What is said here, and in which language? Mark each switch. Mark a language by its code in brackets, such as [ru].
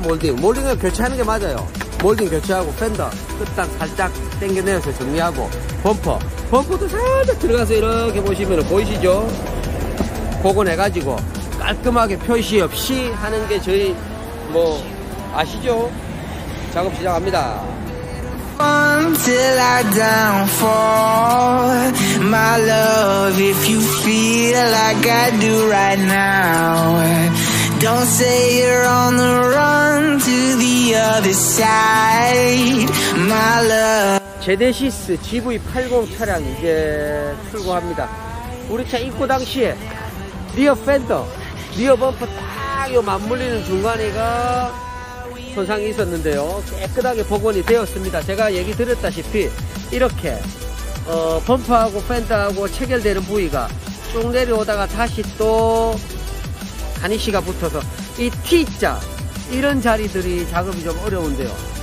[ko] 몰딩을 교체하는 게 맞아요. 몰딩 교체하고 펜더 끝단 살짝 당겨내서 정리하고 범퍼도 살짝 들어가서 이렇게 보시면 보이시죠? 그거 내가지고 깔끔하게 표시 없이 하는 게 저희 뭐 아시죠? 작업 시작합니다. [en] Until I downfall, my love, if you feel like I do right now. Don't say you're on the run to the other side, my love. [ko] 제네시스 GV80 차량 이제 출고합니다. 우리 차 입고 당시에 리어 펜더, 리어 범퍼 딱 요 맞물리는 중간이가 손상이 있었는데요. 깨끗하게 복원이 되었습니다. 제가 얘기 드렸다시피 이렇게 범퍼하고 펜더하고 체결되는 부위가 쭉 내려오다가 다시 또 가니쉬가 붙어서 이 T자 이런 자리들이 작업이 좀 어려운데요.